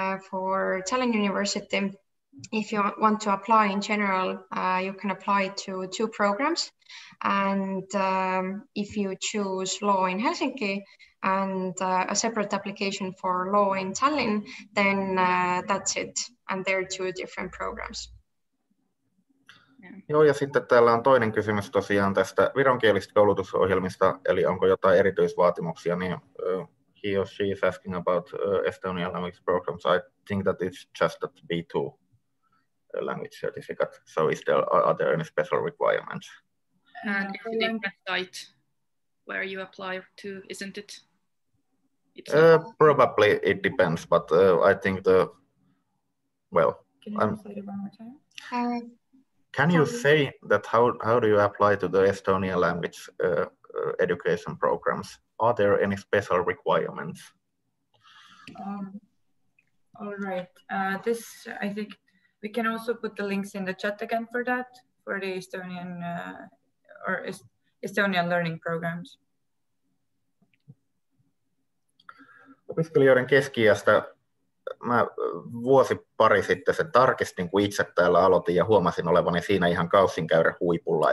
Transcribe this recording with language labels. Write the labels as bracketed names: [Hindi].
[English] For Tallinn University, if you want to apply in general, you can apply to two programs. And if you choose law in Helsinki and a separate application for law in Tallinn, then that's it. And they're two different programs. [Finnish] Joo, ja sitten täällä on toinen kysymys tosiaan tästä vironkielistä koulutusohjelmista, eli onko jotain erityisvaatimuksia, niin [English] he or she is asking about Estonian language programs. I think that it's just that B2 language certificate, so are there any special requirements? And if you think that site where you apply to, isn't it? Probably it depends, but I think the, well. Can you say it one more time? Can you say that how do you apply to the Estonian language education programs? Are there any special requirements? All right. This, I think we can also put the links in the chat again for that, for the Estonian Estonian learning programs. [Finnish] Opiskelijoiden keski-iästä. Mä vuosi pari sitten sen tarkistin, kun itse täällä aloitin ja huomasin olevani siinä ihan kaussinkäyrän huipulla.